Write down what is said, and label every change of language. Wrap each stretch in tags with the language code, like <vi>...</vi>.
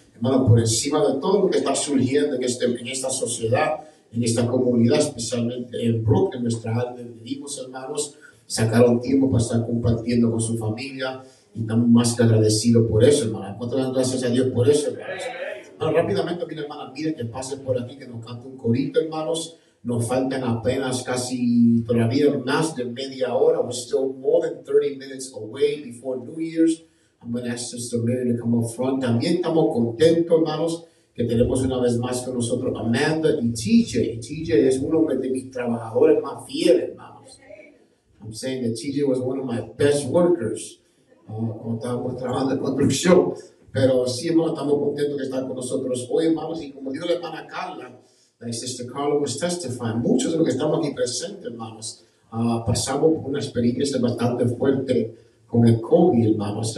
<es>Hermano, por encima de todo lo que está surgiendo en esta sociedad, en esta comunidad, especialmente en Brooklyn, en nuestra área donde vivimos, hermanos, sacaron tiempo para estar compartiendo con su familia y estamos más que agradecidos por eso, hermano. Cuatro gracias a Dios por eso, hermanos. Bueno, rápidamente, mi hermana, mire que pase por aquí, que nos cante un corito, hermanos. Nos faltan apenas casi todavía más de media hora.</es> <en>We're still more than 30 minutes away before New Year's. I'm going to ask Sister Mary to come up front.</en> <es>También estamos contentos, hermanos, que tenemos una vez más con nosotros Amanda y TJ. TJ es uno de mis trabajadores más fieles, hermanos.</es> <en>I'm saying that TJ was one of my best workers</en> <es>cuando estábamos trabajando en construcción. Pero sí, hermanos, estamos contentos que están con nosotros hoy, hermanos. Y como dijo la hermana Carla,</es> <en>like Sister Carla was testifying,</en> <es>muchos de los que estamos aquí presentes, hermanos, pasamos por una experiencia bastante fuerte con el COVID, hermanos.</es>